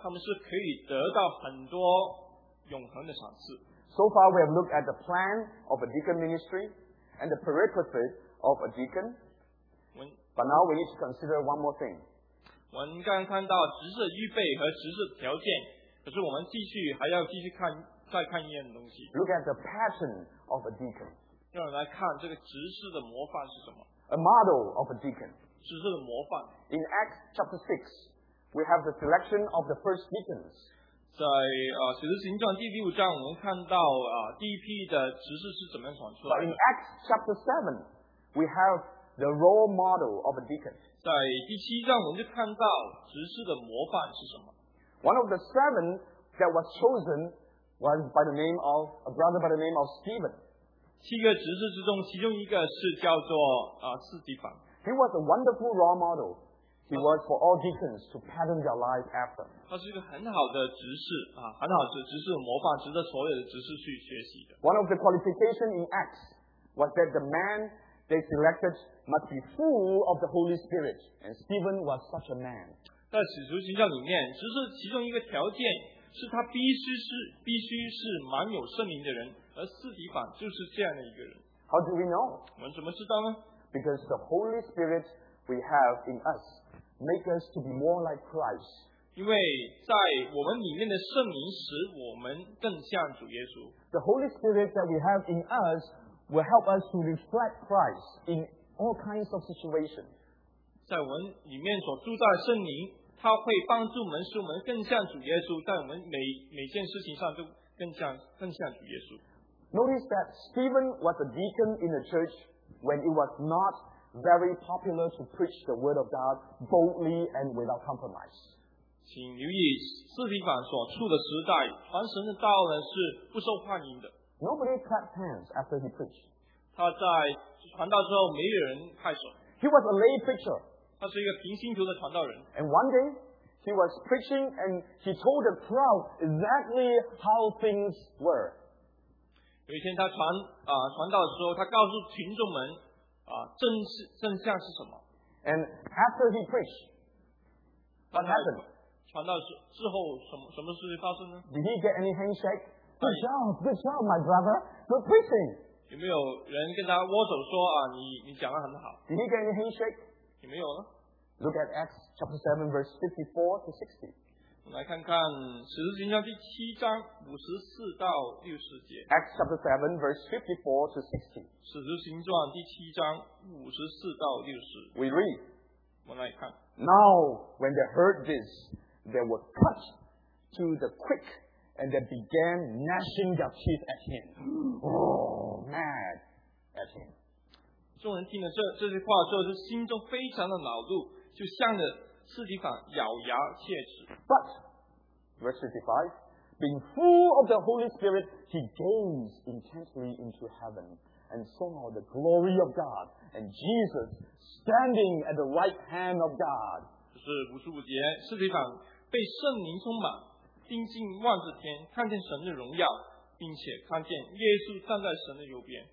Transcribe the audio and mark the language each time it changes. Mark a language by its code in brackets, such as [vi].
[zh] 他们是可以得到很多永恒的赏赐。 [en] So far, we have looked at the plan of a deacon ministry and the prerequisite of a deacon. But now we need to consider one more thing. [zh] 我们刚刚看到执事预备和执事条件，可是我们继续还要继续看再看一样东西。 [en] Look at the pattern of a deacon. [zh] 让我们来看这个执事的模范是什么。 [en] A model of a deacon. [zh] 执事的模范。 [en] In Acts chapter 6, we have the selection of the first deacons. [zh] 在使徒行传第五章，我们看到第一批的执事是怎么样选出来的。 [en] In Acts chapter 7, we have the role model of a deacon. [zh] 在第七章，我们就看到执事的模范是什么。 [en] One of the seven that was chosen was by the name of a brother by the name of Stephen. [zh] 七个执事之中，其中一个是叫做斯提凡。 [en] He was a wonderful role model. He was for all deacons to pattern their lives after. [zh] 他是一个很好的执事啊，很好的执事模范，值得所有的执事去学习的。 [en] One of the qualifications in Acts was that the man they selected must be full of the Holy Spirit, and Stephen was such a man. [zh] 在使徒行传里面，执事其中一个条件是他必须是满有圣灵的人，而斯提凡就是这样的一个人。 [en] How do we know? [zh] 我们怎么知道呢？ [en] Because the Holy Spirit we have in us. Make us to be more like Christ. [zh] 因为在我们里面的圣灵使我们更像主耶稣。 [en] The Holy Spirit that we have in us will help us to reflect Christ in all kinds of situations. [zh] 在我们里面所住的圣灵，它会帮助我们，使我们更像主耶稣，在我们每件事情上都更像主耶稣。 [en] Notice that Stephen was a deacon in the church when it was not. Very popular to preach the word of God boldly and without compromise. [zh] 请留意斯提凡所处的时代，传神的道呢是不受欢迎的。 [en] Nobody clapped hands after he preached. [zh] 他在传道之后没有人拍手。 [en] He was a lay preacher. [zh] 他是一个平信徒的传道人。 [en] And one day, he was preaching and he told the crowd exactly how things were. [zh] 有一天他传道的时候，他告诉群众们。正向是什么？ [en] And after he preached, what happened? [zh] 传道之后什么事情发生呢？ [en] Did he get any handshake? Good job, my brother. Good preaching. [zh] 有没有人跟他握手说你讲得很好？ [en] Did he get any handshake? [zh] 有没有呢？ [en] Look at Acts chapter 7 verse 54 to 60. [zh] 我们来看看使徒行传第七章54到60节。 [en] Acts chapter 7 verse 54 to 60. [zh] 使徒行传第七章54到60。 [en] We read. [zh] 我们来看。 [en] Now, when they heard this, they were cut to the quick, and they began gnashing their teeth at him. Oh, mad at him. [zh] 众人听了这句话之后，就心中非常的恼怒，就向着斯提凡咬牙切齿。 [en] But, verse 55, being full of the Holy Spirit, he gazed intently into heaven. And saw the glory of God and Jesus standing at the right hand of God. [zh] 就是五十五节，斯提凡被圣灵充满，定睛望着天，看见神的荣耀，并且看见耶稣站在神的右边。